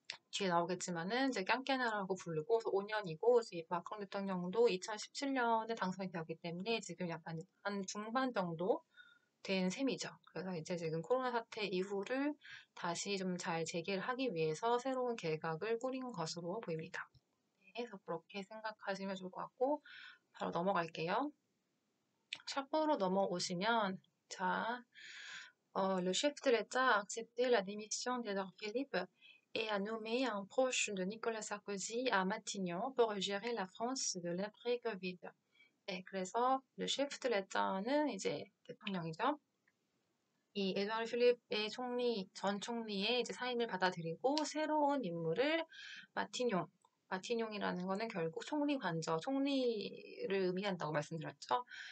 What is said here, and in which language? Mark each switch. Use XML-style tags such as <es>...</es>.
<ko>뒤에 나오겠지만은 이제 깡깨나라고 부르고 5년이고 이제 마크롱 대통령도 2017년에 당선이 되었기 때문에 지금 약간 한 중반 정도 된 셈이죠. 그래서 이제 지금 코로나 사태 이후를 다시 좀잘 재개를 하기 위해서 새로운 계획을 꾸린 것으로 보입니다. 그래서 그렇게 생각하시면 좋을 것 같고 바로 넘어갈게요. 샤프로 넘어오시면 자,</ko> <fr>le chef de l'État a accepté la démission d'Édouard Philippe et a nommé un proche de Nicolas Sarkozy à Matignon pour gérer la France de l'après-Covid.</fr> <ko>네, 그래서</ko> <fr>le chef de l'État</fr> <ko>는 이제 대통령이죠. 이 에두아르 필립의 총리 전 총리의 이제 사인을 받아들이고 새로운 인물을 마티뇽이라는 거는 결국 총리 관저, 총리를 의미한다고 말씀드렸죠.</ko>